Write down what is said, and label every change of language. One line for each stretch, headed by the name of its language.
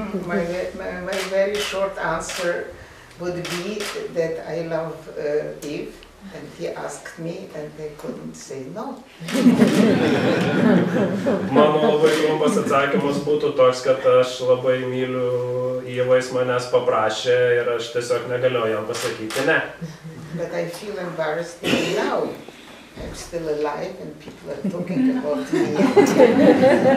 English: My very short answer would be that I love Eve, and he asked me, and I couldn't say no.
Lithuanian: Mano labai trumpas atsakymas būtų toks, kad aš labai myliu Ivais manęs paprašė, ir aš tiesiog negaliu jam pasakyti ne.
English: But I feel embarrassed even now. I'm still alive, and people are talking about me.